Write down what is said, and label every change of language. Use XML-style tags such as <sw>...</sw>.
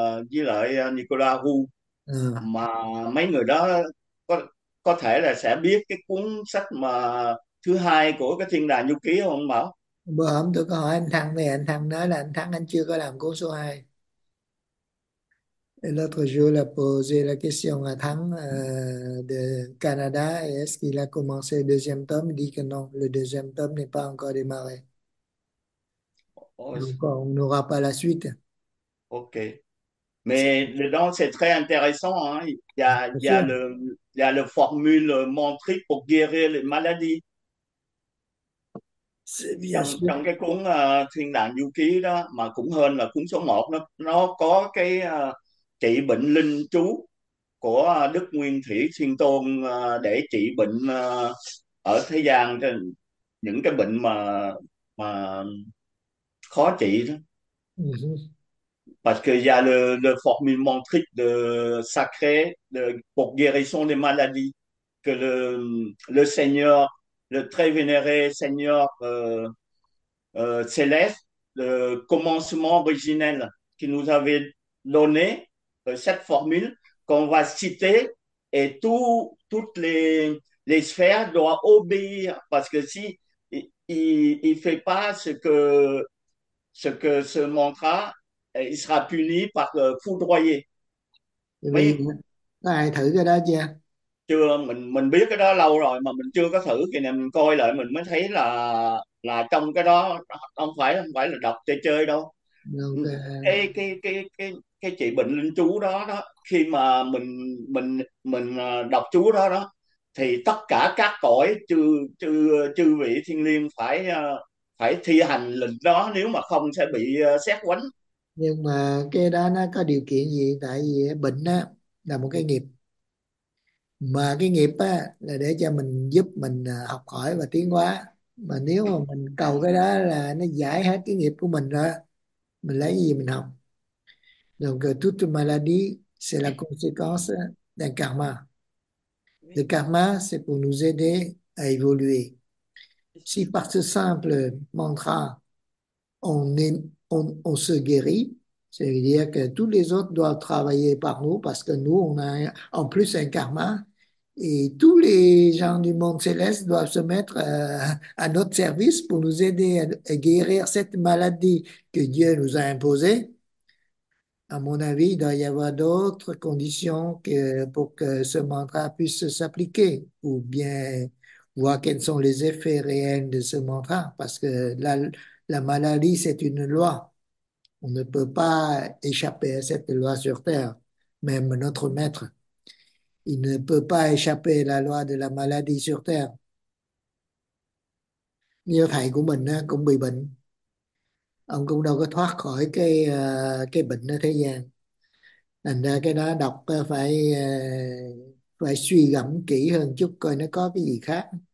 <vi>với lại Nicola Hu, mà mấy người đó có thể là sẽ biết cái cuốn sách mà thứ hai của cái Thiên Đàng Du Ký không bảo. Bữa hôm tôi có hỏi anh Thăng này, anh Thăng nói là anh Thăng anh chưa có làm cuốn số 2.</vi> <fr>L'autre jour, il a posé la question à Thắng de Canada, est-ce qu'il a commencé le deuxième tome? Il dit que non, le deuxième tome n'est pas encore démarré. Oh. Donc, on n'aura pas la suite. OK. Mais dedans, c'est très intéressant, hein. Sûr. Il y a le formule mantrique pour guérir les maladies. C'est bien</fr> <vi>Trong</vi> <fr>sûr.</fr> <vi>trong cái cuốn Thiên Đàng Du Ký đó, mà cũng hơn là cuốn số 1, nó có cái trị bệnh linh chú của Đức Nguyên Thủy Thiên Tôn để trị bệnh ở thế gian, những cái bệnh mà khó trị đó.</vi> <fr>Parce que il y a le formule mantrique de sacré pour guérison des maladies que le Seigneur, le très vénéré Seigneur céleste, le commencement originel qui nous avait donné cette formule qu'on va citer et toutes les sphères doivent obéir. Parce que si il fait pas ce que ce mantra, il sera puni par le foudroyé.</fr> <vi>Vì</vi> <fr>Oui.</fr> <vi>ai thử cái đó chưa? Chưa, mình biết cái đó lâu rồi mà mình chưa có thử, thì mình coi lại mình mới thấy là trong cái đó không phải là đọc chơi chơi đâu. Ok. Cái chị bệnh linh chú đó đó, khi mà mình đọc chú đó đó, thì tất cả các cõi chư chư chư vị thiên liêng phải phải thi hành lệnh đó, nếu mà không sẽ bị xét quánh. Nhưng mà cái đó nó có điều kiện gì? Tại vì bệnh á là một cái nghiệp, mà cái nghiệp á là để cho mình giúp mình học hỏi và tiến hóa, mà nếu mà mình cầu cái đó là nó giải hết cái nghiệp của mình rồi, mình lấy cái gì mình học?</vi> <fr>Donc toute maladie c'est la conséquence d'un karma. Le karma c'est pour nous aider à évoluer. Si par ce simple mantra on se guérit, c'est-à-dire que tous les autres doivent travailler par nous parce que nous, on a en plus un karma, et tous les gens du monde céleste doivent se mettre à notre service pour nous aider à guérir cette maladie que Dieu nous a imposée. À mon avis, il doit y avoir d'autres conditions pour que ce mantra puisse s'appliquer, ou bien voir quels sont les effets réels de ce mantra, parce que la maladie, c'est une loi. On ne peut pas échapper à cette loi sur Terre, même notre maître. Il ne peut pas échapper à la loi de la maladie sur Terre.</fr> <vi>Như thầy của mình cũng bị bệnh. Ông cũng đâu có thoát khỏi cái bệnh ở thế gian. Thành ra cái đó đọc phải phải suy gẫm kỹ hơn chút, coi nó có cái gì khác.</vi>